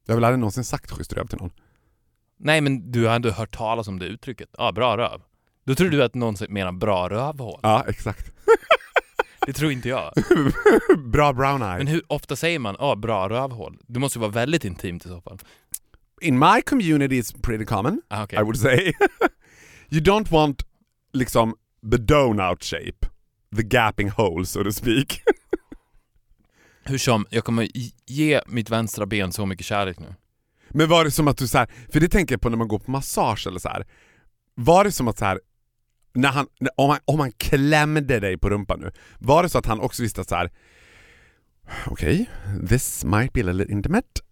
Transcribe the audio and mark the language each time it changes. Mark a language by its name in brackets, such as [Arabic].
[Swedish] Jag har väl aldrig någonsin sagt schysst röv till någon. Nej, men du har ändå hört talas om det uttrycket. Ja, bra röv. Då tror du att någon menar bra rövhår. Ja, exakt. Det tror inte jag. Bra [English] brown eyes. [Swedish] Men hur ofta säger man bra rövhår? Det måste ju vara väldigt intimt i så fall. [English] In my community it's pretty common, okay. I would say. You don't want [Swedish] liksom [English] the donut shape, the gapping hole, so to speak. [Swedish] Hur som, jag kommer ge mitt vänstra ben så mycket kärlek nu. Men var det som att du så här, för det tänker jag på när man går på massage eller så här. Var det som att så här, när han, om han klämde dig på rumpan nu, var det så att han också visste att så här, okej, [English] okay, this might be a little intimate.